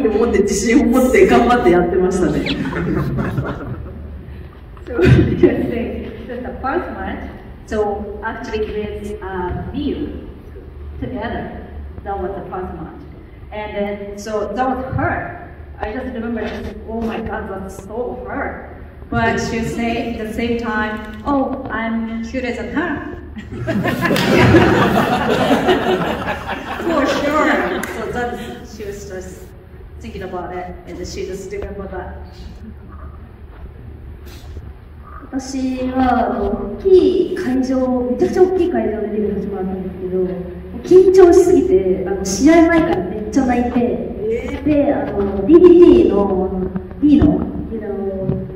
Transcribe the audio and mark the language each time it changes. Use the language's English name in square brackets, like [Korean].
[Japanese] でも、なんかめっちゃ痛かったの、とりあえず。痛かったの。すっごく痛くて、泣きそうだったんだけど、でも顔だけは絶対私の方が可愛いって思って自信を持って頑張ってやってましたね。 [English] So, you can say that the first match, so actually with Miyu together, that was the first match. And then, so that was her. I just remember, oh my god, that's so her. But she say at the same time, oh, I'm cuter than her. For sure. So then she was just thinking about it, and then she just remember that. [Japanese] 私は大きい会場、めちゃくちゃ大きい会場でリング始まるんですけど、緊張しすぎて、試合前からめっちゃ泣いて、で、DDTのリーノ、